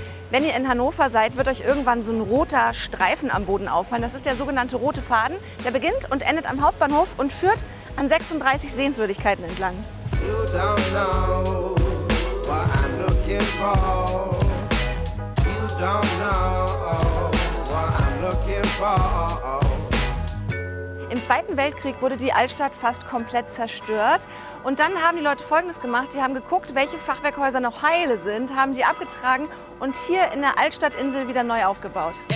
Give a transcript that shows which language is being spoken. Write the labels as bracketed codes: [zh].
[de] Wenn ihr in Hannover seid, wird euch irgendwann so ein roter Streifen am Boden auffallen. Das ist der sogenannte rote Faden. Der beginnt und endet am Hauptbahnhof und führt an 36 Sehenswürdigkeiten entlang. [en] You don't know what I'm looking for. You don't know what I'm looking for. [de] Im Zweiten Weltkrieg wurde die Altstadt fast komplett zerstört. Und dann haben die Leute Folgendes gemacht. Die haben geguckt, welche Fachwerkhäuser noch heile sind, haben die abgetragen und hier in der Altstadtinsel wieder neu aufgebaut.